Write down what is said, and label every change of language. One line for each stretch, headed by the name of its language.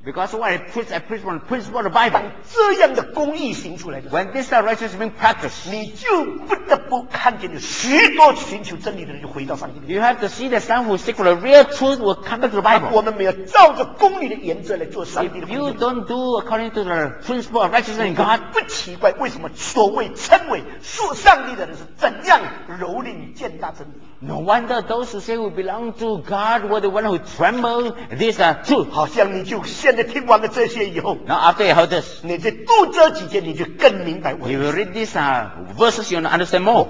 English: Because when I preach from the principle of the Bible.
Chinese: 当这样的公义行出来的时候，
English: When this righteousness is being practiced.
Chinese: 你就不得不看见有许多寻求真理的人就回到上帝。
English: You have to see that some who seek for the real truth will come back to the Bible.
Chinese: 我们没有照着公理的原则来做上帝的。
English: If you don't do according to the principle of righteousness in God,
Chinese: 不奇怪为什么所谓称为属上帝的人是怎样蹂躏践踏真理。
English: No wonder those who say we belong to God were the one who trembled this truth.
Chinese: 好像你就现在听完了这些以后，
English: Now after you heard this,
Chinese: 你再读这几节你就更明白我。
English: You will read these verses, you will understand more.